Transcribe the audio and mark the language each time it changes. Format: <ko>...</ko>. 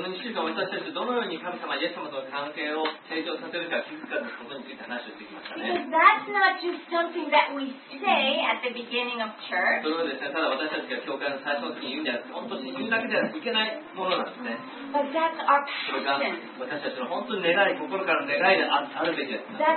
<ja>この2週間、私たちはどのように神様、イエス様との関係を成長させるか、気づくかということについて話をしてきましたね。</ja> <en>Because that's not just something that we say at the beginning of church.</en> <ja>それはですね、ただ私たちが教会の最初の時に言うんじゃなくて、本当に言うだけじゃいけないものなんですね。</ja> <en>But that's our passion.</en> <ja>それが私たちの本当に願い、心から願いであるべきだったんですね。</ja>